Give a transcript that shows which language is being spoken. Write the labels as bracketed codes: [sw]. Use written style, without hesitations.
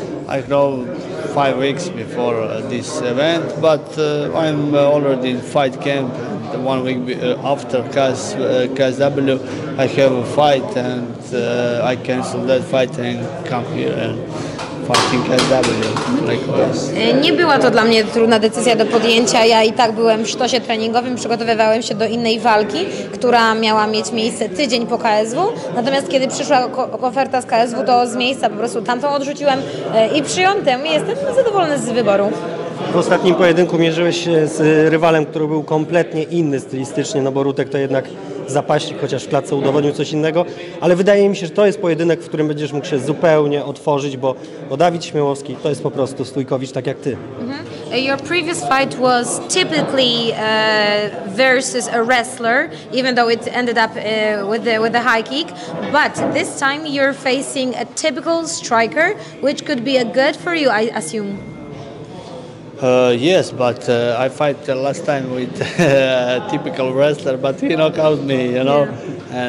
[en] I know 5 weeks before this event, but I'm already in fight camp. The 1 week after KSW, I have a fight, and I canceled that fight and come here and fighting KSW. Likewise. [pl] Nie była to dla mnie trudna decyzja do podjęcia. Ja i tak byłem w sztosie treningowym, przygotowywałem się do innej walki, która miała mieć miejsce tydzień po KSW. Natomiast kiedy przyszła oferta z KSW, to z miejsca po prostu tamtą odrzuciłem i przyjąłem tę. Jestem zadowolony z wyboru. W ostatnim pojedynku mierzyłeś się z rywalem, który był kompletnie inny stylistycznie, no bo Rutek to jednak zapaśnik, chociaż w klatce udowodnił coś innego, ale wydaje mi się, że to jest pojedynek, w którym będziesz mógł się zupełnie otworzyć, bo Dawid Śmiałowski to jest po prostu Stójkowicz tak jak ty. [en] Your previous fight was typically versus a wrestler, even though it ended up with a high kick. But this time you're facing a typical striker, which could be a good for you, I assume. Yes, but I fight last time with a typical wrestler, but he knocked out me, you know. Yeah.